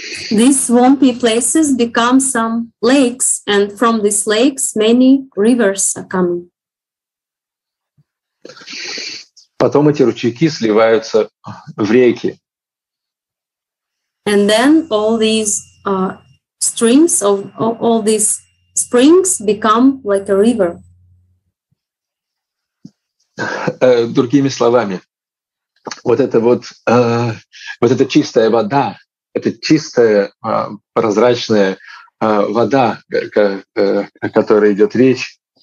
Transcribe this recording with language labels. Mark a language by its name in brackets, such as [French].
[English] These swampy places become some lakes, and from these lakes many rivers are coming. [Russian] Потом эти ручейки сливаются в реки. [English] And then all these streams of all these springs become like a river. [Russian] Другими словами, вот эта чистая вода, это чистая прозрачная вода, о которой идет речь.